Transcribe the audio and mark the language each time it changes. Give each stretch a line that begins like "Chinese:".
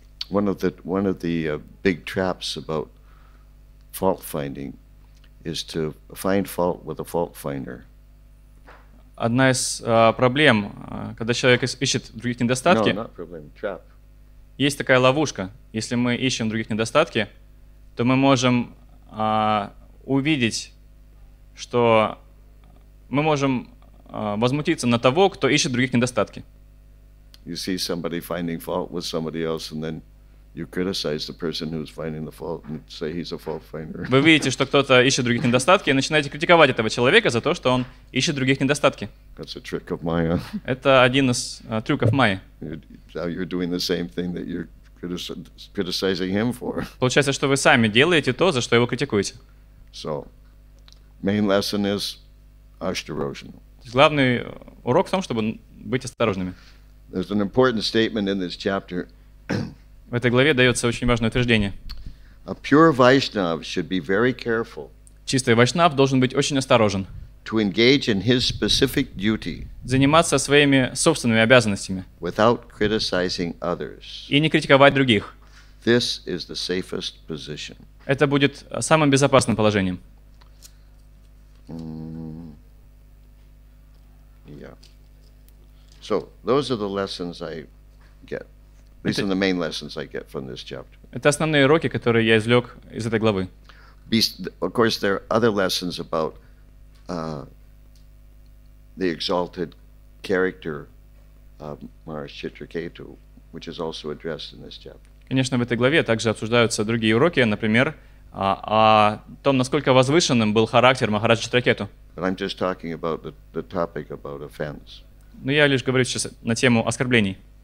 English: One of the big traps about fault finding is to find fault with a fault finder.
Russian: Одна из проблем, когда человек ищет других недостатки.
English: No, not problem, trap.
Russian: Есть такая ловушка. Если мы ищем других недостатки, то мы можем увидеть, что мы можем возмутиться на того, кто ищет других недостатки.
English: You see somebody finding fault with somebody else, and then you criticize the person who's finding the fault and say he's a fault finder.
Russian: Вы видите, что кто-то ищет других недостатки, и начинаете критиковать этого человека за то, что он ищет других недостатки.
English: That's a trick of Maya.
Russian: Это один из трюков Майи.
English: You're doing the same thing that you're criticizing him for.
Russian: Получается, что вы сами делаете то, за что его критикуете.
English: So, main lesson is ashtarojana.
Russian: Главный урок в том, чтобы быть осторожными.
English: There's an important statement in this chapter.
Russian: В этой главе дается очень важное утверждение.
English: A pure Vaishnav should be very careful.
Russian: Чистый вайшнав должен быть очень осторожен.
English: to engage in his specific duty,
Russian: заниматься своими собственными обязанностями,
English: without criticizing others,
Russian: и не критиковать других.
English: This is the safest position.
Russian: Это будет самым безопасным положением.
English: So those are the lessons I get. These are the main lessons I get from this chapter.
Russian: Это основные уроки, которые я извлек из этой главы.
English: Of course, there are other lessons about the exalted character of Maharishchitraketu, which is also addressed in this chapter.
Russian: Конечно, в этой главе также обсуждаются другие уроки, например, о том, насколько возвышенным был характер Махараджа-Читракету.
English: But I'm just talking about the topic about offense.
Russian: Но я лишь говорю сейчас на тему оскорблений.